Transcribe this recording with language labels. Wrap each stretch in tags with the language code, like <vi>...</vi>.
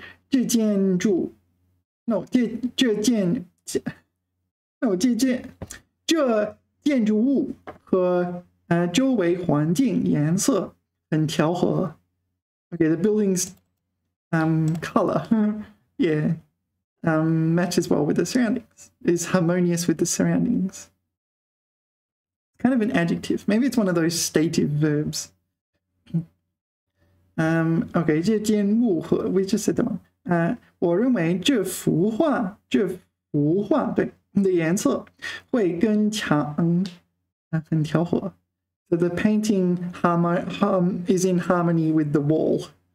<zh>这建筑 ，no， 这建筑物和周围环境颜色很调和。</zh> <en>Okay, the building's color matches well with the surroundings. Is harmonious with the surroundings. Kind of an adjective. Maybe it's one of those stative verbs. Okay, 这间木盒 we just said them.</en> <zh>我认为这幅画对的颜色会跟墙很调和。</zh> <en>So the painting is in harmony with the wall.</en>